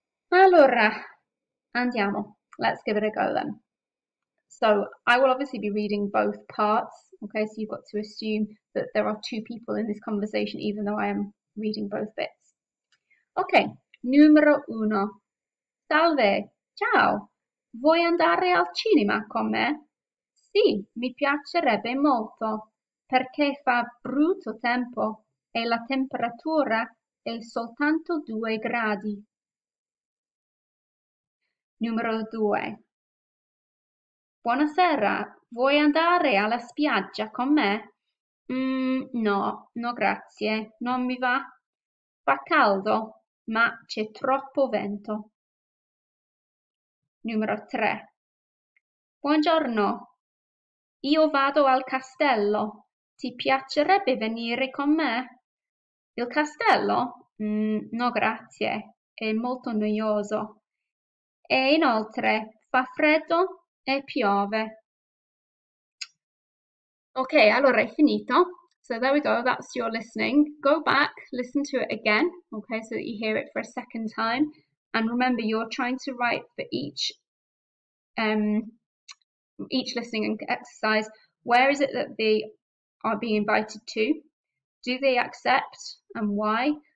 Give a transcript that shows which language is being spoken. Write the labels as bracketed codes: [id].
[it] Allora, andiamo. [en] Let's give it a go then. So I will obviously be reading both parts, okay? So you've got to assume that there are two people in this conversation, even though I am reading both bits. [it] Okay, numero uno. Salve, ciao. Vuoi andare al cinema con me? Sì, mi piacerebbe molto, perché fa brutto tempo e la temperatura è soltanto 2 gradi. Numero 2. Buonasera, vuoi andare alla spiaggia con me? No, no grazie, non mi va. Fa caldo, ma c'è troppo vento. Numero 3. Buongiorno, io vado al castello. Ti piacerebbe venire con me? Il castello? No grazie, è molto noioso. E inoltre fa freddo e piove. Ok, allora è finito. So [en] So there we go, that's your listening. Go back, listen to it again, okay, so that you hear it for a second time. And remember, you're trying to write for each listening exercise. Where is it that they are being invited to? Do they accept and why?